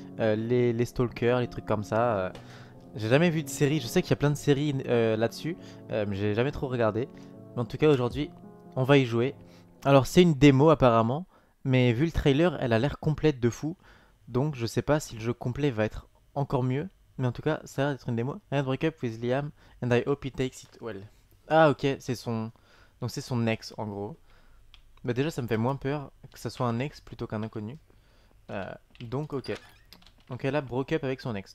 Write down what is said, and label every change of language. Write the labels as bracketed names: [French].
[French] Les stalkers, les trucs comme ça. J'ai jamais vu de série, je sais qu'il y a plein de séries là-dessus, mais j'ai jamais trop regardé. Mais en tout cas, aujourd'hui, on va y jouer. Alors, c'est une démo apparemment, mais vu le trailer, elle a l'air complète de fou. Donc, je sais pas si le jeu complet va être encore mieux. Mais en tout cas, ça a l'air d'être une démo. [English] I break up with Liam, and I hope he takes it well. [French] Ah ok, c'est son ex en gros. Bah déjà ça me fait moins peur que ça soit un ex plutôt qu'un inconnu. Donc ok. Donc elle a [English] broke up [French] avec son ex.